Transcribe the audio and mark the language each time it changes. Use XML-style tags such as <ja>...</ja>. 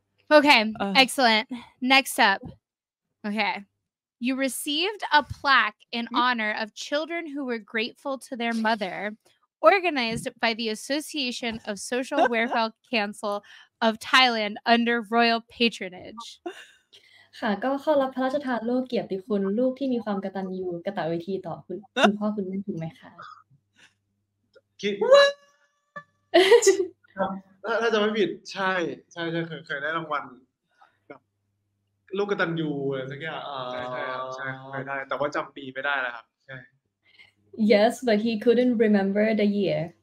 <en>Okay. Excellent. Next up. Okay. You received a plaque in honor of children who were grateful to their mother, organized by the Association of Social Welfare Council of Thailand under royal patronage.</en> <th>ค่ะก็เข้ารับพระราชทานโล่เกียรติคุณลูกที่มีความกตัญญูกตเวทีต่อคุณพ่อคุณแม่ถูกไหมคะ คิด</th> <en>What</en> <th>ถ้าจะไม่ผิดใช่เคยได้รางวัลแบบลูกกตัญญูอะไรสักอย่างใช่เคยได้แต่ว่าจำปีไม่ได้แล้วครับใช่</th> <en>Yes but he couldn't remember the year</en>